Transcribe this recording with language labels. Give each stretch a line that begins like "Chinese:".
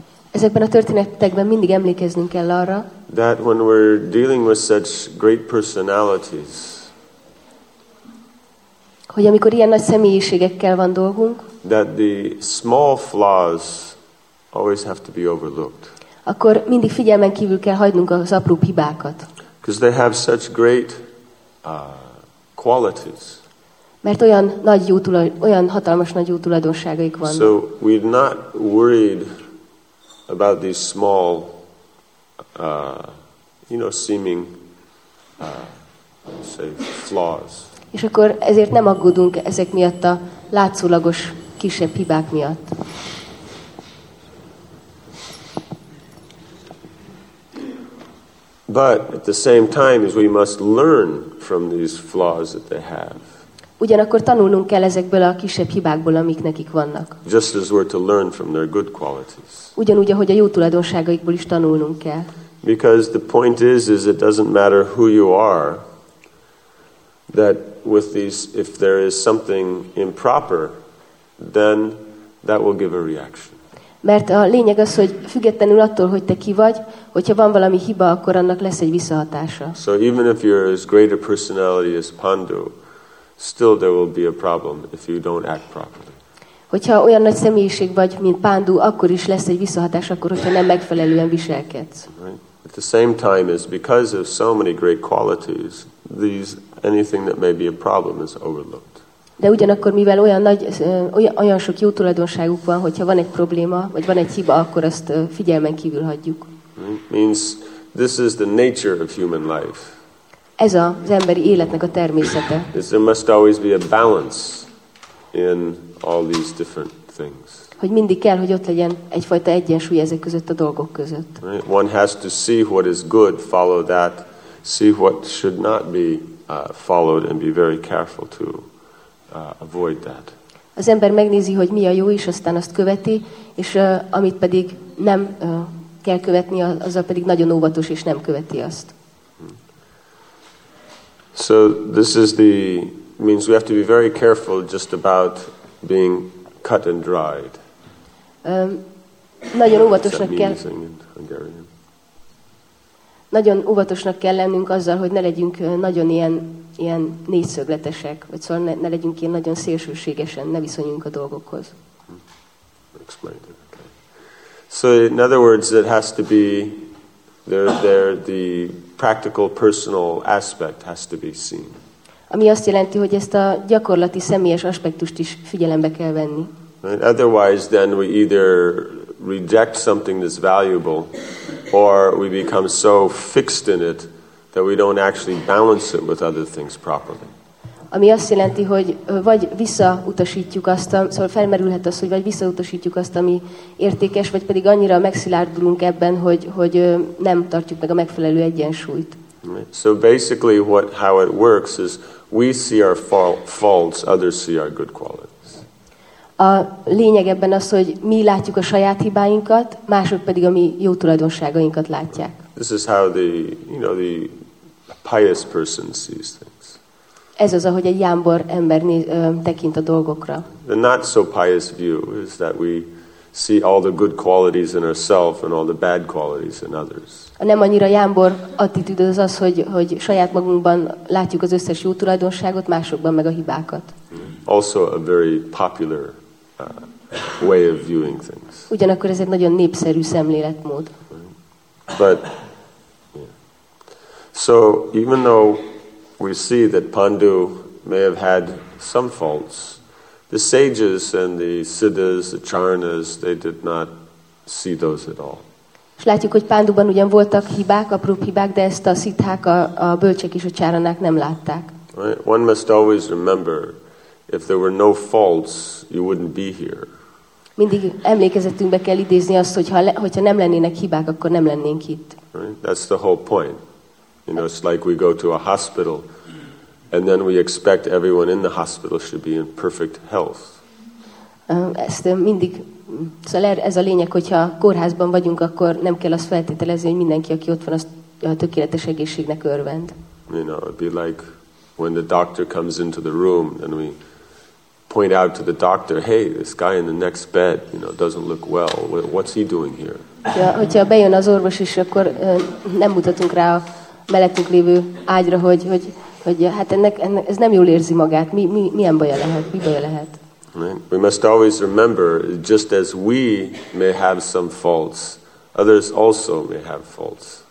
Hungarian: Ezekben a történetekben mindig emlékeznünk kell arra.
English: That when we're dealing with such great personalities.
Hungarian: Hogy amikor ilyen nagy személyiségekkel van dolgunk.
English: That the small flaws always have to be overlooked.
Hungarian: Akkor mindig figyelmen kívül kell hagynunk az apró hibákat.
English: Because they have such great qualities.
Hungarian: Mert olyan nagy jó olyan hatalmas nagy jó tulajdonságaik van.
English: So we're not worried about these small seeming say flaws.
Hungarian: És akkor ezért nem aggódunk ezek miatt a látszólagos kisebb hibák miatt.
English: But at the same time as we must learn from these flaws that they have.
Hungarian: Ugyanakkor tanulnunk kell ezekből a kisebb hibákból, amik nekik vannak.
English: Just as we're to learn from their good qualities.
Hungarian: Ugyanúgy, ahogy a jó tulajdonságaikból is tanulnunk kell.
English: Because the point is it doesn't matter who you are, that with these, if there is something improper, then that will give a reaction.
Hungarian: Mert a lényeg az, hogy függetlenül attól, hogy te ki vagy, hogyha van valami hiba, akkor annak lesz egy visszahatása.
English: So even if you're as great a personality as Pandu, still there will be a problem if you don't act properly.
Hungarian: Hogyha olyan nagy személyiség vagy, mint Pandu, akkor is lesz egy visszahatás, akkor, hogyha nem megfelelően viselkedsz.
English: Right. At the same time, is because of so many great qualities, these anything that may be a problem is overlooked.
Hungarian: De ugyanakkor, mivel olyan nagy, olyan sok jó tulajdonságuk van, hogyha van egy probléma, vagy van egy hiba, akkor azt figyelmen kívül hagyjuk.
English: Means this is the nature of human life.
Hungarian: Ez az emberi életnek a természete.
English: There must always be a balance in all these different things.
Hungarian: Hogy mindig kell, hogy ott legyen egyfajta egyensúly ezek között a dolgok között.
English: Right? One has to see what is good, follow that, see what should not be followed, and be very careful too. Avoid that.
Hungarian: Az ember megnézi, hogy mi a jó, és aztán azt követi, és amit pedig nem kell követni, azzal pedig nagyon óvatos, és nem követi azt.
English: So this is the means we have to be very careful just about being cut and dried.
Hungarian: Nagyon óvatosnak kell.
English: Is that mean in Hungarian?
Hungarian: Nagyon óvatosnak kell lennünk azzal, hogy ne legyünk nagyon ilyen négyszögletesek, vagy szóval ne legyünk ilyen nagyon szélsőségesen, ne viszonyunk a dolgokhoz.
English: Explained it, okay. So in other words, it has to be there the practical personal aspect has to be seen.
Hungarian: Ami azt jelenti, hogy ezt a gyakorlati személyes aspektust is figyelembe kell venni.
English: And otherwise then we either reject something that's valuable or we become so fixed in it that we don't actually balance it with other things properly.
Hungarian: Ami azt jelenti, hogy vagy visszautasítjuk azt, szóval felmerülhet az, hogy vagy visszautasítjuk azt, ami értékes, vagy pedig annyira megszilárdulunk ebben, hogy nem tartjuk meg a megfelelő egyensúlyt.
English: Right. So basically how it works is we see our faults, others see our good qualities.
Hungarian: A lényeg ebben az, hogy mi látjuk a saját hibáinkat, mások pedig a mi jó tulajdonságainkat látják.
English: This is how the, the pious person sees things.
Hungarian: Ez az, ahogy egy jámbor ember tekint a dolgokra.
English: The not so pious view is that we see all the good qualities in ourselves and all the bad qualities in others.
Hungarian: A nem annyira jámbor attitűd az az, hogy saját magunkban látjuk az összes jó tulajdonságot, másokban meg a hibákat.
English: Also a very popular way of viewing things.
Hungarian: Ugyanakkor ez egy nagyon népszerű szemléletmód.
English: So even though we see that Pandu may have had some faults, the sages and the siddhas, the charanas, they did not see those at all.
Hungarian: És látjuk, hogy Pánduban ugyan voltak hibák, apró hibák, de ezt a szithák, a bölcsek és a csáranák nem látták.
English: Right. One must always remember, if there were no faults, you wouldn't be here.
Hungarian: Mindig emlékezetünkbe kell idézni azt, hogy hogyha nem lennének hibák, akkor nem lennénk itt.
English: Right. That's the whole point. You know, it's like we go to a hospital, and then we expect everyone in the hospital should be in perfect health.
Hungarian: Ezt mindig, szóval ez a lényeg, hogyha kórházban vagyunk, akkor nem kell azt feltételezni, hogy mindenki, aki ott van, az tökéletes egészségnek örvend.
English: You know, it'd be like when the doctor comes into the room, and we point out to the doctor, hey, this guy in the next bed, you know, doesn't look well. What's he doing here?
Hungarian: Ja, hogyha bejön az orvos is, akkor nem mutatunk rá a mellettünk lévő ágyra, hogy hát ennek ez nem jól érzi magát. Milyen baja lehet? Mi baja lehet?
English: We must always remember, just as we may have some faults, others also may have faults.